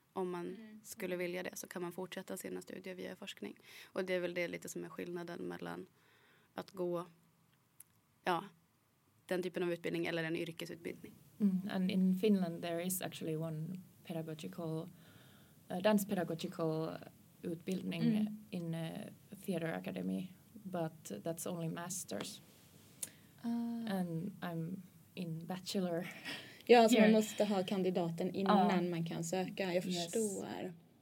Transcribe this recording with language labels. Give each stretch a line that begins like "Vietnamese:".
Swedish: om man skulle vilja det så kan man fortsätta sina studier via forskning. Och det är väl det lite som är skillnaden mellan att gå den typen av utbildning eller en yrkesutbildning. Mm.
English: And in Finland there is actually one pedagogical dance pedagogical utbildning in a theater academy, but that's only masters. And I'm in bachelor.
Swedish: Ja, alltså man måste ha kandidaten innan man kan söka. Jag förstår.
English: Yes.